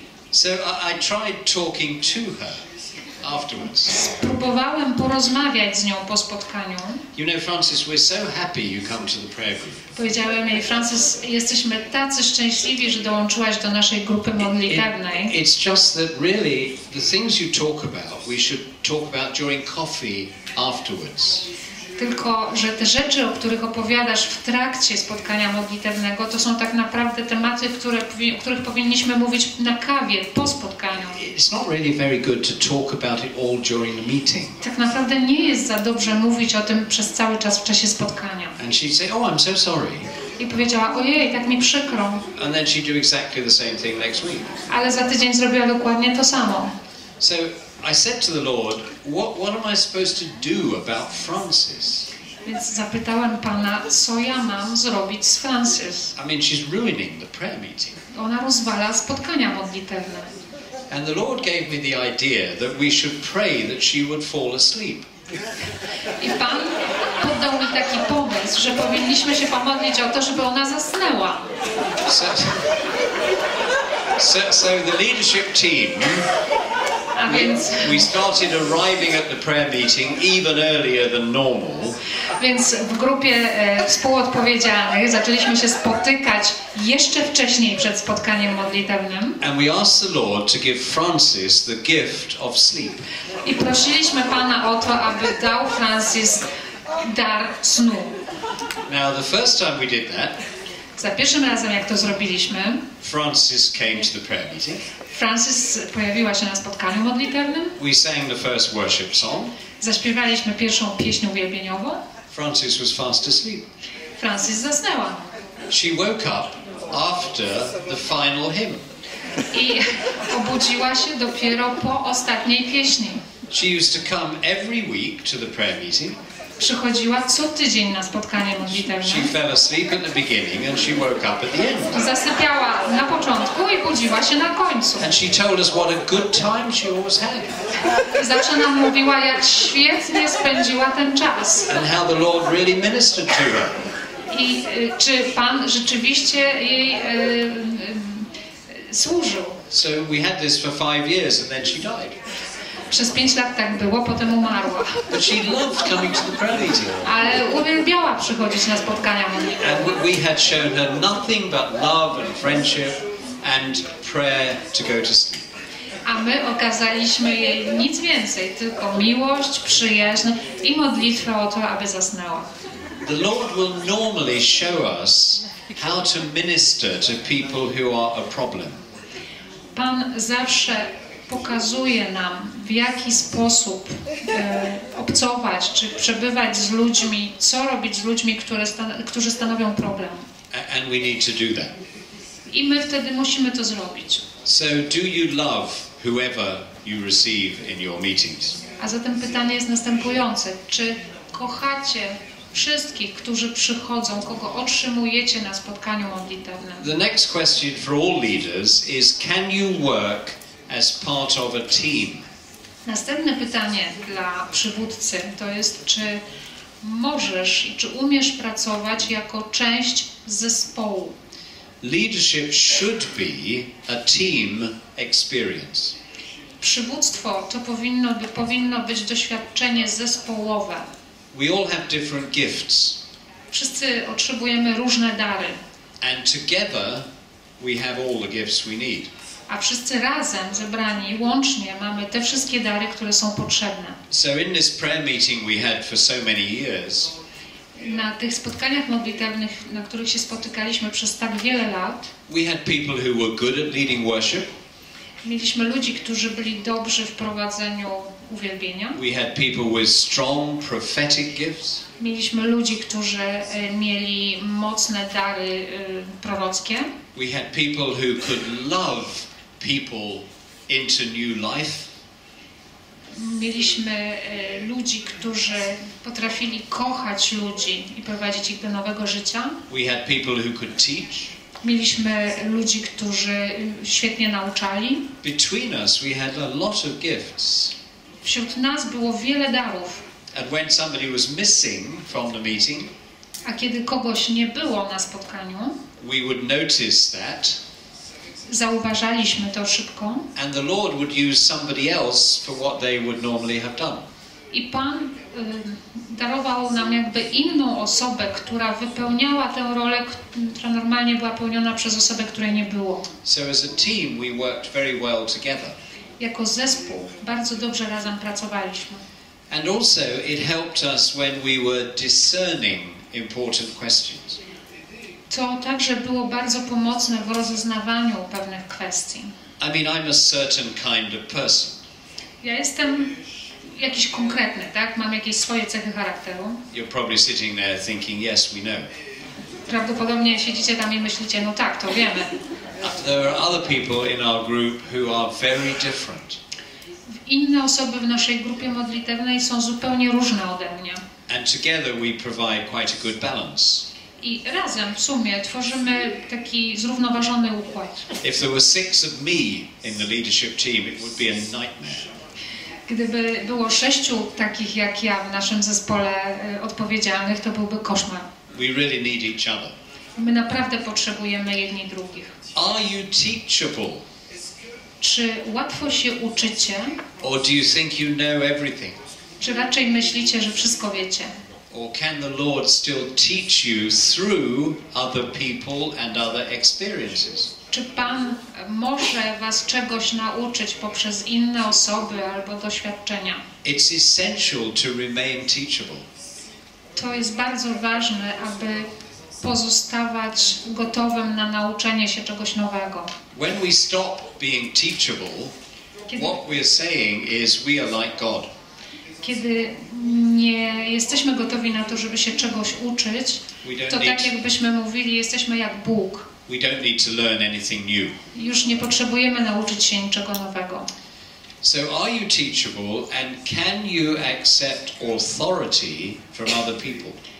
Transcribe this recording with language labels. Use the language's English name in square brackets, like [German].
[English] So I tried talking to her afterwards. [Polish] Spróbowałem porozmawiać z nią po spotkaniu. [English] You know, Francis, we're so happy you come to the prayer group. [Polish] Powiedziałem jej, Francis, jesteśmy tacy szczęśliwi, że dołączyłaś do naszej grupy modlitewnej. [English] It's just that really the things you talk about, we should talk about during coffee afterwards. [Polish] Tylko, że te rzeczy, o których opowiadasz w trakcie spotkania modlitewnego, to są tak naprawdę tematy, o których powinniśmy mówić na kawie, po spotkaniu. [English] It's not really very good to talk about it all during the meeting. [Polish] Tak naprawdę nie jest za dobrze mówić o tym przez cały czas w czasie spotkania. [English] And she said, "Oh, I'm so sorry." [Polish] I powiedziała, ojej, tak mi przykro. [English] And then she'd do exactly the same thing next week. [Polish] Ale za tydzień zrobiła dokładnie to samo. [English] So I said to the Lord, what am I supposed to do about Francis? [Polish] Więc zapytałem Pana, co ja mam zrobić z Francis? [English] I mean, she's ruining the prayer meeting. [Polish] Ona rozwala spotkania modlitewne. [English] And the Lord gave me the idea that we should pray that she would fall asleep. [Polish] I Pan poddał mi taki pomysł, że powinniśmy się pomodlić o to, żeby ona zasnęła. [English] So the leadership team. We started arriving at the prayer meeting even earlier than normal. [Polish] Więc w grupie współodpowiedzialnych zaczęliśmy się spotykać jeszcze wcześniej przed spotkaniem modlitewnym. [English] And we asked the Lord to give Francis the gift of sleep. [Polish] I prosiliśmy Pana o to, aby dał Francis dar snu. [English] Now the first time we did that. [Polish] Za pierwszym razem jak to zrobiliśmy. [English] Francis came to the prayer meeting. [Polish] Francis pojawiła się na spotkaniu modlitewnym. [English] We sang the first worship song. [Polish] Zaśpiewaliśmy pierwszą pieśń uwielbieniową. [English] Francis was fast asleep. [Polish] Francis zasnęła. [English] She woke up after the final hymn. [Polish] I obudziła się dopiero po ostatniej pieśni. [English] She used to come every week to the prayer meeting. [Polish] Przychodziła co tydzień na spotkanie modlitewne. [English] She fell asleep at the beginning and she woke up at the end. [Polish] Zasypiała na początku i budziła się na końcu. [English] And she told us what a good time she always had. [Polish] Zawsze nam mówiła, jak świetnie spędziła ten czas. [English] And how the Lord really ministered to her. [Polish] I czy Pan rzeczywiście jej służył. [English] So we had this for 5 years and then she died. [Polish] Przez 5 lat tak było, potem umarła. [English] But she loved coming to the prayer meeting. [Polish] Ale uwielbiała przychodzić na spotkania modlitewne. [English] And we had shown her nothing but love and friendship and prayer to go to sleep. [Polish] A my okazaliśmy jej nic więcej, tylko miłość, przyjaźń i modlitwę o to, aby zasnęła. [English] The Lord will normally show us how to minister to people who are a problem. [Polish] Pan zawsze pokazuje nam, w jaki sposób obcować, czy przebywać z ludźmi, co robić z ludźmi, którzy stanowią problem. [English] And we need to do that. [Polish] I my wtedy musimy to zrobić. [English] So do you love whoever you receive in your meetings? [Polish] A zatem pytanie jest następujące. Czy kochacie wszystkich, którzy przychodzą, kogo otrzymujecie na spotkaniu modlitewnym? [English] The next question for all leaders is, can you work as part of a team? [Polish] Następne pytanie dla przywódcy to jest, czy możesz i czy umiesz pracować jako część zespołu? [English] Leadership should be a team experience. [Polish] Przywództwo to powinno być doświadczenie zespołowe. [English] We all have different gifts. [Polish] Wszyscy otrzymujemy różne dary. [English] And together we have all the gifts we need. [Polish] A wszyscy razem, zebrani, łącznie, mamy te wszystkie dary, które są potrzebne. [English] So in this prayer meeting we had for so many years. [Polish] Na tych spotkaniach modlitewnych, na których się spotykaliśmy przez tak wiele lat. [English] We had people who were good at leading worship. [Polish] Mieliśmy ludzi, którzy byli dobrzy w prowadzeniu uwielbienia. [English] We had people with strong prophetic gifts. [Polish] Mieliśmy ludzi, którzy mieli mocne dary prorockie. [English] We had people who could love people into new life. [Polish] mieliśmy ludzi, którzy potrafili kochać ludzi i prowadzić ich do nowego życia. [English] We had people who could teach. [Polish] Mieliśmy ludzi, którzy świetnie nauczali. [English] Between us we had a lot of gifts. [Polish] Wśród nas było wiele darów. [English] And when somebody was missing from the meeting, [Polish] a kiedy kogoś nie było na spotkaniu, [English] we would notice that. [Polish] Zauważaliśmy to szybko. [English] And the Lord would use somebody else for what they would normally have done. [Polish] I Pan darował nam jakby inną osobę, która wypełniała tę rolę, która normalnie była pełniona przez osobę, której nie było. [English] So as a team we worked very well together. [Polish] Jako zespół bardzo dobrze razem pracowaliśmy. [English] And also it helped us when we were discerning important questions. [Polish] To także było bardzo pomocne w rozeznawaniu pewnych kwestii. [English] I mean, I'm a certain kind of person. [Polish] Ja jestem jakiś konkretny, tak? Mam jakieś swoje cechy charakteru. [English] You're probably sitting there thinking, yes, we know. [Polish] Prawdopodobnie siedzicie tam i myślicie, no tak, to wiemy. [English] There are other people in our group who are very different. [Polish] Inne osoby w naszej grupie modlitewnej są zupełnie różne ode mnie. [English] And together we provide quite a good balance. [Polish] I razem w sumie tworzymy taki zrównoważony układ. [English] If there were six of me in the leadership team, it would be a nightmare. [Polish] Gdyby było sześciu takich jak ja w naszym zespole odpowiedzialnych, to byłby koszmar. [English] We really need each other. [Polish] My naprawdę potrzebujemy jedni drugich. [English] Are you teachable? [Polish] Czy łatwo się uczycie? [English] Or do you think you know everything? [Polish] Czy raczej myślicie, że wszystko wiecie? [English] Or can the Lord still teach you through other people and other experiences? [Polish] Czy Pan może was czegoś nauczyć poprzez inne osoby albo doświadczenia? [English] It's essential to remain teachable. [Polish] To jest bardzo ważne, aby pozostawać gotowym na nauczenie się czegoś nowego. [English] When we stop being teachable, what we're saying is we are like God. [Polish] Kiedy nie jesteśmy gotowi na to, żeby się czegoś uczyć, to tak jakbyśmy mówili, jesteśmy jak Bóg. [English] We don't need to learn anything new. [Polish] Już nie potrzebujemy nauczyć się niczego nowego. [English] So are you teachable and can you accept authority from other people?